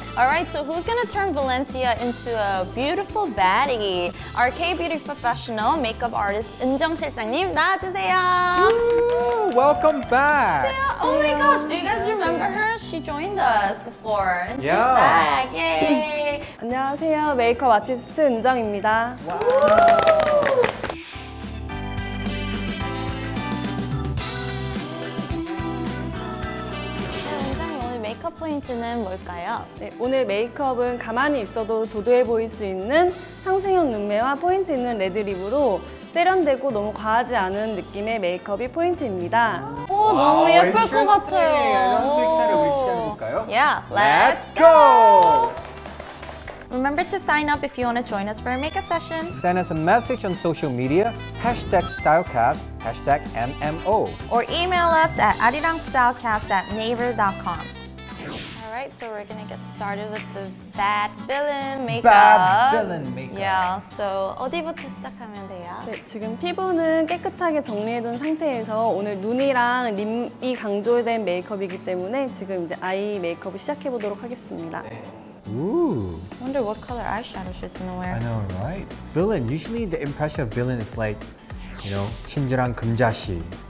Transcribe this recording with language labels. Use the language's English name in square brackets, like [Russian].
[English] All right, so who's gonna turn Valencia into a beautiful baddie? Our K-beauty professional, makeup artist, Eun-jung 실장님, [Korean] 나와주세요! [English] Welcome back! Oh my gosh, do you guys remember her? She joined us before, and she's back, yay! [Korean] 안녕하세요, 메이크업 아티스트 은정입니다. [English] Wow. [Korean] Makeup 포인트는 뭘까요? 네, 오늘 메이크업은 가만히 있어도 도도해 보일 수 있는 상승형 눈매와 포인트 있는 레드 립으로 세련되고 너무 과하지 않은 느낌의 메이크업이 포인트입니다. 오, 너무 예쁠 것 같아요. 이런 픽셀을 우리 시작해볼까요? [English] Let's go! Remember to sign up if you want to join us for a makeup session. Send us a message on social media, #Stylecast, #MMO. Or email us at arirangstylecast@naver.com. So we're gonna get started with the bad villain makeup. Bad villain makeup. Yeah. [Korean] So 어디부터 시작하면 돼요? 네, 지금 피부는 깨끗하게 정리해둔 상태에서 오늘 눈이랑 립이 강조된 메이크업이기 때문에 지금 이제 아이 메이크업을 시작해 보도록 하겠습니다. 네. Ooh. [English] I wonder what color eyeshadow she's gonna wear. I know, right? Villain. Usually the impression of villain is like, you know, 친절한 금자씨.